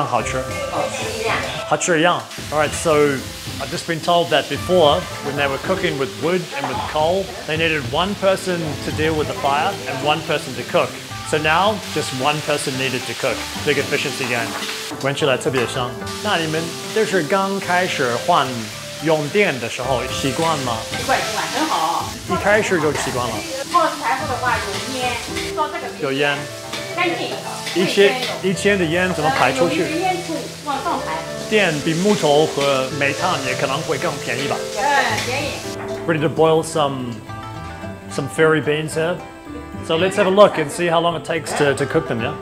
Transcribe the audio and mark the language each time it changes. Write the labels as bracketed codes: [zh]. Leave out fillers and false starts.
[zh] 那这个能炒得好吗?跟那个什么炭啊,跟木头啊,一样好吃。好吃一样。好吃一样。 [en] Alright, so I've just been told that before, when they were cooking with wood and with coal, they needed one person to deal with the fire and one person to cook. So now, just one person needed to cook. Big efficiency gain. [zh] 闻起来特别香。那你们就是刚开始换用电的时候习惯吗? 习惯,很好。一开始就习惯了。放柴火的话有烟烧这个有烟干净一千的烟怎么排出去烟囱往上排电比木头和煤炭也可能会更便宜吧便宜。 [en] Ready to boil some fairy beans here. So let's have a look and see how long it takes to cook them, yeah?